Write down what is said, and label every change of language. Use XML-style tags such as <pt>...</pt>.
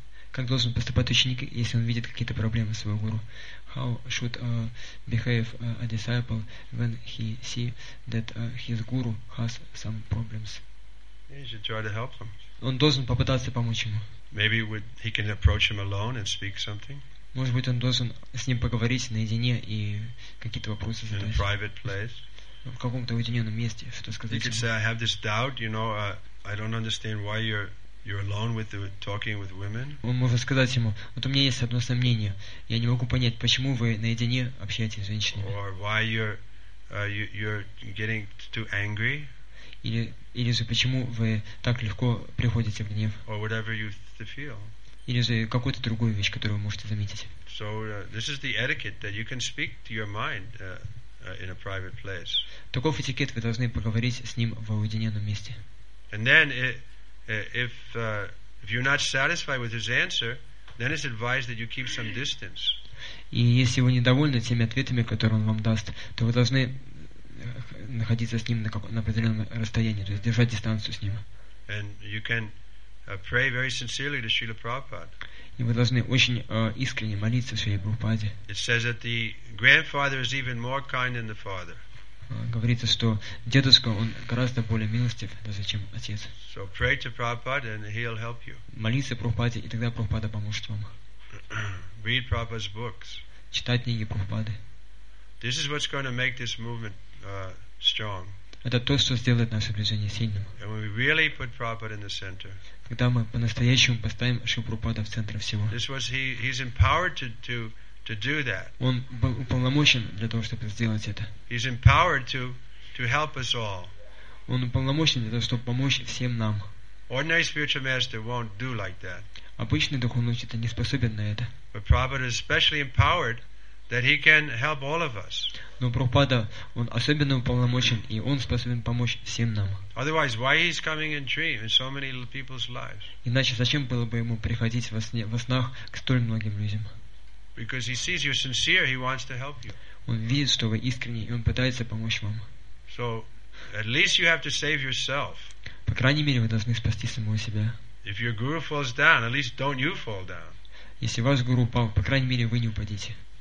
<ru>Как должен поступать ученик, если он видит какие-то проблемы своего гуру?</ru> <en>How should behave a disciple when he see that his guru has some problems? He should try to help him.</en> <ru>Он должен попытаться помочь ему.</ru> <en>Maybe he can approach him alone and speak something.</en> <ru>Может быть, он должен с ним поговорить наедине и какие-то вопросы задать.</ru> <en>In a private place.</en> <ru>В каком-то уединенном месте, что сказать.</ru> <en>You could say, I have this doubt, I don't understand why you're alone with talking with women.</en> <ru>Он может сказать ему, вот у меня есть одно сомнение, я не могу понять, почему вы наедине общаетесь с женщинами.</ru> <en>Or why you're getting too angry.</en> <ru>Или же почему вы так легко приходите в гнев.</ru> <en>Or whatever you feel.</en> <ru>Или же какую-то другую вещь, которую вы можете заметить.</ru> <en>So, this is the etiquette that you can speak to your mind in a private place.</en> <ru>Таков этикет, вы должны поговорить с ним в уединенном месте.</ru> <en>And then if you're not satisfied with his answer, then it's advised that you keep some distance.</en> <ru>И если вы недовольны теми ответами, которые он вам даст, то вы должны находиться с ним на определенном расстоянии, то есть держать дистанцию с ним.</ru> <en>And you can pray very sincerely to Srila Prabhupada.</en> <ru>И вы должны очень искренне молиться Шриле Прабхупаде.</ru> <en>It says that the grandfather is even more kind than the father.</en> <ru>Говорится, что дедушка он гораздо более милостив, даже чем отец.</ru> <en>So pray to Prabhupada and he'll help you.</en> <ru>Молиться Прабхупаде, и тогда Прабхупада поможет вам.</ru> <en>Read Prabhupada's books.</en> <ru>Читать книги Прабхупады.</ru> <en>This is what's going to make this movement strong.</en> <ru>Это то, что сделает наше движение сильным.</ru> <en>And when we really put Prabhupada in the center.</en> <ru>Когда мы по-настоящему поставим Шрилу Прабхупаду в центр всего.</ru> <en>This was he's empowered to do that.</en> <ru>Он был уполномочен для того, чтобы сделать это.</ru> <en>He's empowered to help us all.</en> <ru>Он уполномочен для того, чтобы помочь всем нам.</ru> <en>Ordinary spiritual master won't do like that.</en> <ru>Обычный духовный учитель не способен на это.</ru> <en>But Prabhupada is especially empowered that he can help all of us.</en> <ru>Но Прабхупада он особенно уполномочен и он способен помочь всем нам.</ru> <en>Otherwise, why he's coming in dream in so many people's lives?</en> <ru>Иначе зачем было бы ему приходить во снах к столь многим людям?</ru> <en>Because he sees you're sincere, he wants to help you.</en> <ru>Он видит, что вы искренни, и он пытается помочь вам.</ru> <en>So, at least you have to save yourself.</en> <ru>По крайней мере, вы должны спасти самого себя.</ru> <en>If your guru falls down, at least don't you fall down.</en> <ru>Если ваш гуру упал, по крайней мере, вы не упадете.</ru>